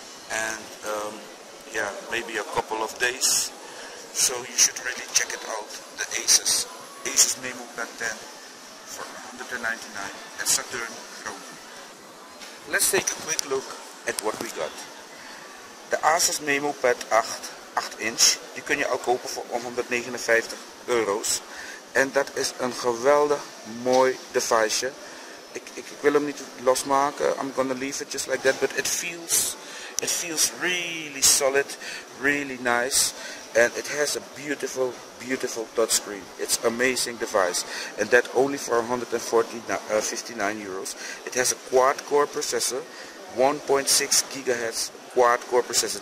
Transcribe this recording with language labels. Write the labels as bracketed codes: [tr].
[en] And yeah, maybe a couple of days. So you should really check it out, the Asus Memo Pad 10 for $199 at Saturn Groningen. Let's take a quick look at what we got. [nl] The Asus Memo Pad 8 inch, die kun je al kopen voor €159. En dat is een geweldig mooi deviceje. Ik wil hem niet losmaken. [en] I'm gonna leave it just like that, but it feels really solid, really nice. And it has a beautiful, beautiful touchscreen. It's amazing device. And that only for €159. It has a quad-core processor, 1.6 gigahertz quad-core processor.